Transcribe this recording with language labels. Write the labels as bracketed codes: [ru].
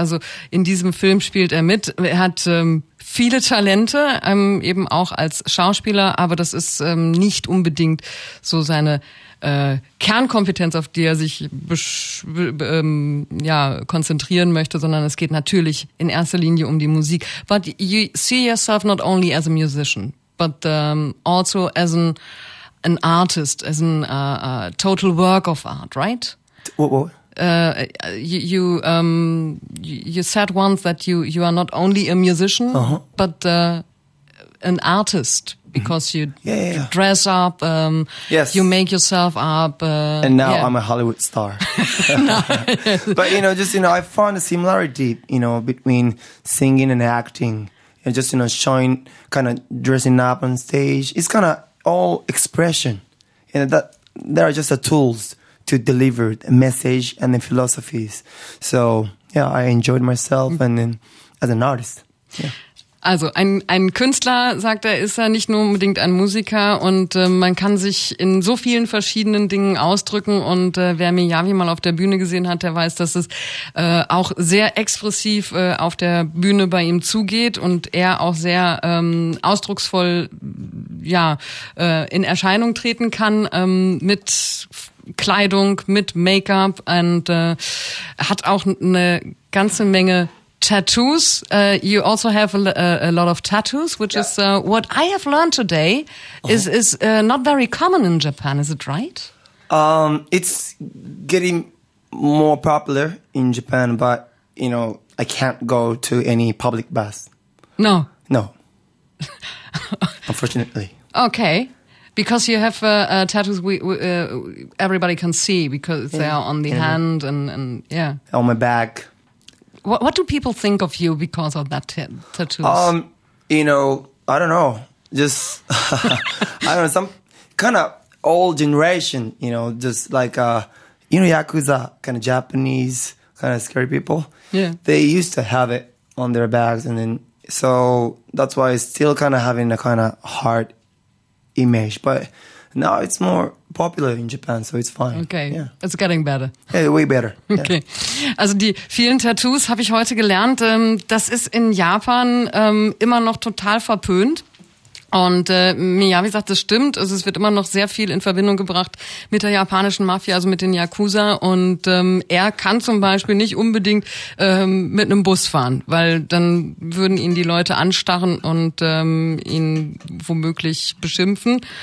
[de] Also in diesem Film spielt er mit, er hat viele Talente, eben auch als Schauspieler, aber das ist nicht unbedingt so seine Kernkompetenz, auf die er sich konzentrieren möchte, sondern es geht natürlich in erster Linie um die Musik. [en] But you see yourself not only as a musician, but also as an artist, as a total work of art, right? What? You said once that you are not only a musician uh-huh. but an artist, because mm-hmm. you dress up, yes. you make yourself up, and now I'm a Hollywood star. But you know, just, you know, I found a similarity, you know, between singing and acting, and just, you know, showing, kind of dressing up on stage. It's kind of all expression, and that they are just the tools to deliver the message and the philosophies. So, yeah, I enjoyed myself and then as an artist. Yeah. [de] Also ein Künstler, sagt er, ist er nicht nur unbedingt ein Musiker, und man kann sich in so vielen verschiedenen Dingen ausdrücken, und wer Miyavi mal auf der Bühne gesehen hat, der weiß, dass es auch sehr expressiv auf der Bühne bei ihm zugeht und er auch sehr ausdrucksvoll in Erscheinung treten kann mit Kleidung, mit Make-up, und hat auch eine ganze Menge Tattoos. [en] You also have a lot of tattoos, which is what I have learned today is not very common in Japan, is it right? It's getting more popular in Japan, but, you know, I can't go to any public bus. No. No. Unfortunately. Okay. Because you have tattoos everybody can see, because they are on the hand and on my back. What do people think of you because of that tattoos? You know, I don't know. Just, I don't know, some kind of old generation, you know, just like, you know, Yakuza, kind of Japanese, kind of scary people. Yeah. They used to have it on their bags, and then, so that's why I still kind of having a kind of hard image. But now it's more popular in Japan, so it's fine. Okay, yeah. It's getting better. Yeah, way better. Yeah. [de] Okay, also die vielen Tattoos habe ich heute gelernt. Das ist in Japan immer noch total verpönt. Und Miyavi sagt, das stimmt. Also es wird immer noch sehr viel in Verbindung gebracht mit der japanischen Mafia, also mit den Yakuza. Und er kann zum Beispiel nicht unbedingt mit einem Bus fahren, weil dann würden ihn die Leute anstarren und ihn womöglich beschimpfen.